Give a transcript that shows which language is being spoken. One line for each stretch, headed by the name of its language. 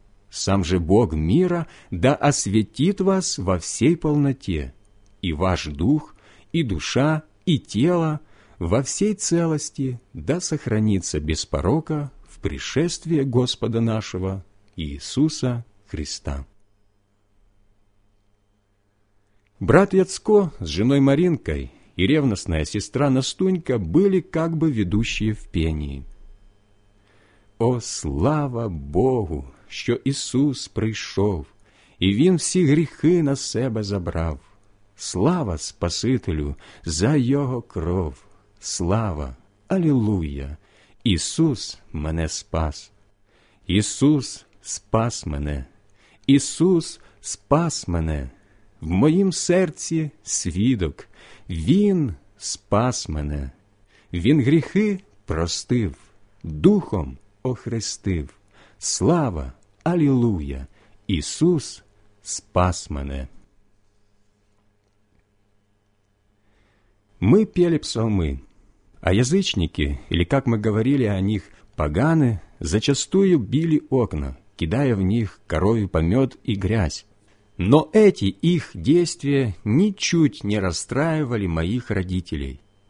Russian: Сам же Бог мира да освятит вас во всей полноте, и ваш дух, и душа, и тело во всей целости да сохранится без порока в пришествие Господа нашего Иисуса Христа. Брат Яцко с женой Маринкой и ревностная сестра Настунька были как бы ведущие в пении.
Ukrainian: «О, слава Богу, що Ісус прийшов, і Він всі гріхи на себе забрав! Слава Спасителю за Його кров! Слава! Алілуя! Ісус мене спас! Ісус спас мене! Ісус спас мене! В моїм серці свідок, Він спас мене. Він гріхи простив, духом охрестив. Слава, алілуя, Ісус спас мене.
Russian: Ми пели псалми, а язичники, или как мы говорили о них, Паганы зачастую били окна, кидая в них коровий помет и грязь. Но эти их действия ничуть не расстраивали моих родителей.